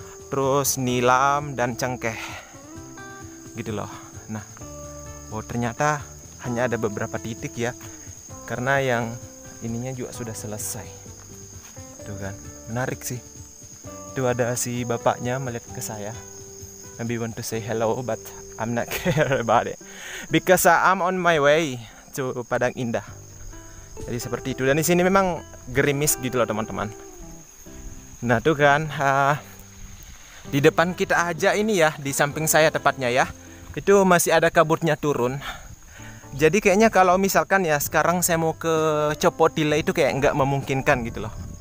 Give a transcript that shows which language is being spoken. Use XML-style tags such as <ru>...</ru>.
<id>Terus nilam dan cengkeh. Gitu loh. Nah. Oh, ternyata hanya ada beberapa titik ya. Karena yang ininya juga sudah selesai. Tuh kan, menarik sih. Itu ada si bapaknya melihat ke saya.</id> <en>Maybe want to say hello, but I'm not care about it because I'm on my way to Padang Indah.</en> <id>Jadi seperti itu. Dan di sini memang gerimis gitu loh teman-teman. Nah tuh kan, di depan kita aja ini ya, di samping saya tepatnya ya, itu masih ada kabutnya turun. Jadi kayaknya kalau misalkan ya sekarang saya mau ke Copotile itu kayak nggak memungkinkan gitu loh.</id>